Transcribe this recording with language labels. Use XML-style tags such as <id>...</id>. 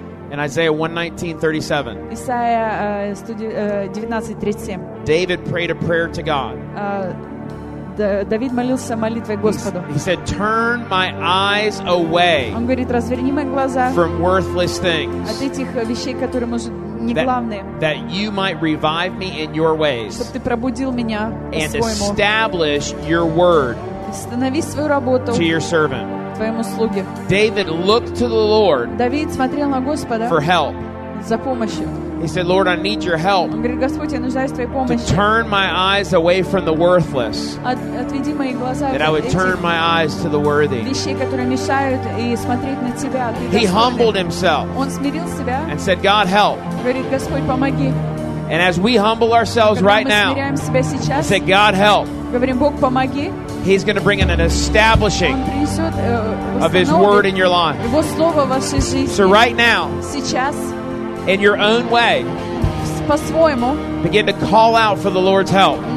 <en>In Isaiah 19:37. David prayed a prayer to God.</en> <ru>David молился молитвой Господу.</ru> <en>He said, "Turn my eyes away."</en> <ru>Он говорит, разверни мои глаза.</ru> <en>From worthless things.</en> <ru>От этих вещей, которые может не главные.</ru> <en>That you might revive me in your ways.</en> <ru>Чтобы ты пробудил меня по-своему.</ru> <en>And establish your word.</en> <ru>Установи свою работу.</ru> <en>To your servant.</en> <ru>Твоему слуге.</ru> <en>David looked to the Lord.</en> <ru>Давид смотрел на Господа.</ru> <en>For help.</en> <ru>За помощью.</ru> <en>He said, "Lord, I need your help."</en> <ru>Он говорит, Господь, я нуждаюсь в твоей помощи.</ru> <en>To turn my eyes away from the worthless.</en> <ru>Отведи мои глаза.</ru> <en>That I would turn my eyes to the worthy.</en> <ru>Вещи, которые мешают, и смотреть на тебя.</ru> <en>He humbled himself.</en> <ru>Он смирил себя.</ru> <en>And said, "God, help."</en> <ru>Говорит, Господь, помоги.</ru> <en>And as we humble ourselves right now, say, "God, help."</en> <ru>Говорим, Бог, помоги.</ru> <en>He's going to bring in an establishing of His word in your life. So right now, in your own way, begin to call out for the Lord's help.</en>